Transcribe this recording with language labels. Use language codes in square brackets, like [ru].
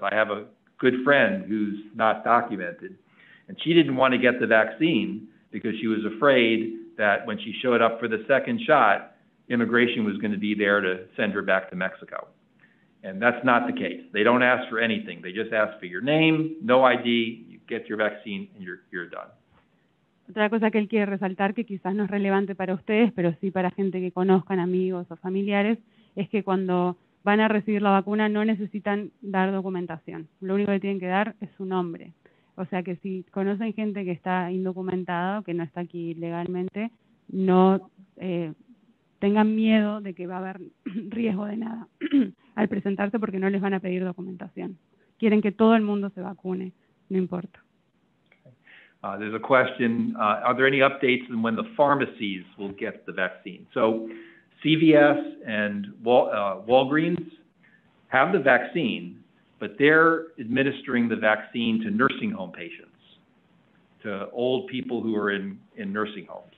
[en] I have a good friend who's not documented, and she didn't want to get the vaccine because she was afraid that when she showed up for the second shot, immigration was going to be there to send her back to Mexico. And that's not the case. They don't ask for anything. They just ask for your name, no ID, you get your vaccine, and you're done. [es] Otra cosa que él quiere resaltar, que quizás no es relevante para ustedes, pero sí para gente que conozcan, amigos o familiares, es que cuando van a recibir la vacuna no necesitan dar documentación. Lo único que tienen que dar es su nombre. O sea que si conocen gente que está indocumentada, que no está aquí legalmente, no tengan miedo de que va a haber riesgo de nada al presentarse porque no les van a pedir documentación. Quieren que todo el mundo se vacune, no importa. [en] Okay. There's a question, are there any updates on when the pharmacies will get the vaccine? So CVS and Walgreens have the vaccine, but they're administering the vaccine to nursing home patients, to old people who are in nursing homes.